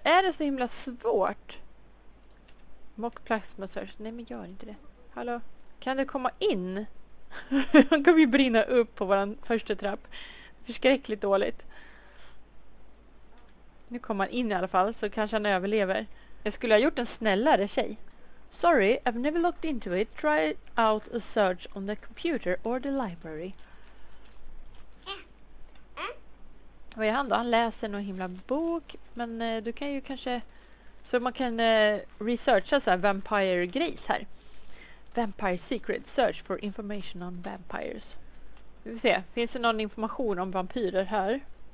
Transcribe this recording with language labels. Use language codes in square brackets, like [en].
[sv] Är det så himla svårt? [en] Mock plasma search. [sv] Nej, men gör inte det. Hallå? Kan du komma in? Han kommer ju brinna upp på våran första trapp. Förskräckligt dåligt. Nu kommer han in i alla fall så kanske han överlever. Jag skulle ha gjort en snällare tjej. [en] Sorry, I've never looked into it. Try out a search on the computer or the library. [sv] Vad är han då? Han läser någon himla bok. Men du kan ju kanske. Så man kan researcha så här vampire-grejs här. [en] Vampire Secret Search for information on vampires. [sv] Nu ska vi se. Finns det någon information om vampyrer här?